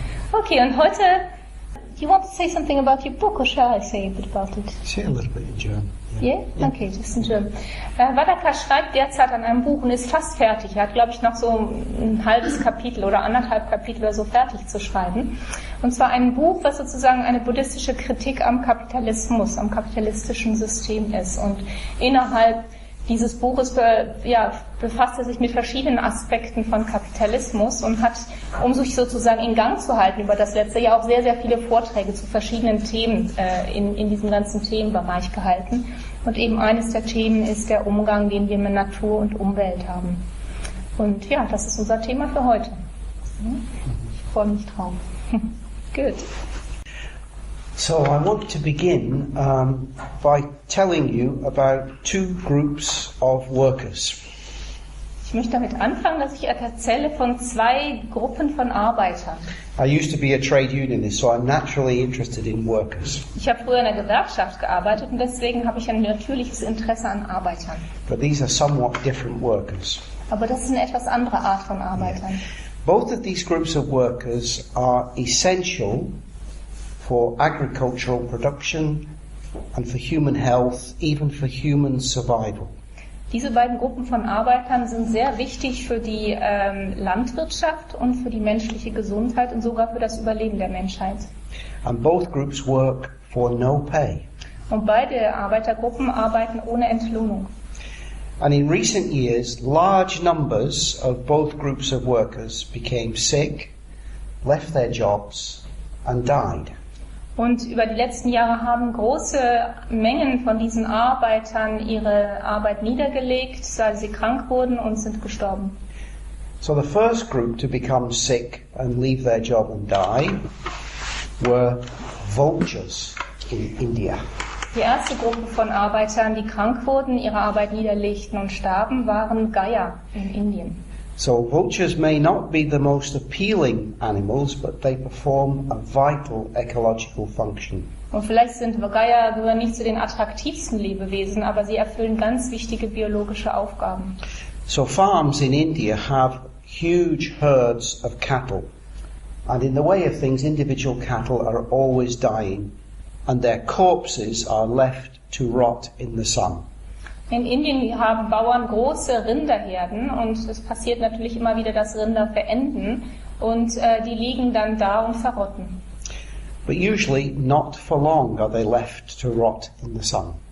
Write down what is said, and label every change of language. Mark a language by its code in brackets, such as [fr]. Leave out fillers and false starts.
[en] Okay, [de] und heute, [en] you want to say something about your book or shall I say a bit about it? Say a little bit in German. [de] Yeah? Okay, das ist ein Schirm. Wadaka schreibt derzeit an einem Buch und ist fast fertig. Er hat, glaube ich, noch so ein halbes Kapitel oder anderthalb Kapitel oder so fertig zu schreiben. Und zwar ein Buch, was sozusagen eine buddhistische Kritik am Kapitalismus, am kapitalistischen System ist. Und innerhalb dieses Buches befasst er sich mit verschiedenen Aspekten von Kapitalismus und hat, um sich sozusagen in Gang zu halten über das letzte Jahr, auch sehr, sehr viele Vorträge zu verschiedenen Themen in diesem ganzen Themenbereich gehalten. Und eben eines der Themen ist der Umgang, den wir mit Natur und Umwelt haben. Und ja, das ist unser Thema für heute. Ich freue mich drauf. [en] Good. So I want to begin by telling you about two groups of workers. [de] Ich möchte damit anfangen, dass ich erzähle von zwei Gruppen von Arbeitern. [en] I used to be a trade unionist, so I'm naturally interested in workers. [de] Ich habe früher in einer Gewerkschaft gearbeitet und deswegen habe ich ein natürliches Interesse an Arbeitern. [en] But these are somewhat different workers. [de] Aber das ist eine etwas andere Art von Arbeitern. [en] Yeah. Both of these groups of workers are essential for agricultural production and for human health, even for human survival. [de] Diese beiden Gruppen von Arbeitern sind sehr wichtig für die Landwirtschaft und für die menschliche Gesundheit und sogar für das Überleben der Menschheit. [en] And both groups work for no pay. [de] Und beide Arbeitergruppen arbeiten ohne Entlohnung. [en] And in recent years, large numbers of both groups of workers became sick, left their jobs and died. [de] Und über die letzten Jahre haben große Mengen von diesen Arbeitern ihre Arbeit niedergelegt, weil sie krank wurden und sind gestorben. [en] So the first group to become sick and leave their job and die were vultures in India. [de] Die erste Gruppe von Arbeitern, die krank wurden, ihre Arbeit niederlegten und starben, waren Geier in Indien. [en] So vultures may not be the most appealing animals, but they perform a vital ecological function. [de] Und vielleicht sind Geier gehören nicht zu den attraktivsten Lebewesen, aber sie erfüllen ganz wichtige biologische Aufgaben. [en] So farms in India have huge herds of cattle. And in the way of things, individual cattle are always dying and their corpses are left to rot in the sun. [de] In Indien haben Bauern große Rinderherden und es passiert natürlich immer wieder, dass Rinder verenden und die liegen dann da und verrotten. [en] But usually not for long are they left to rot in the sun.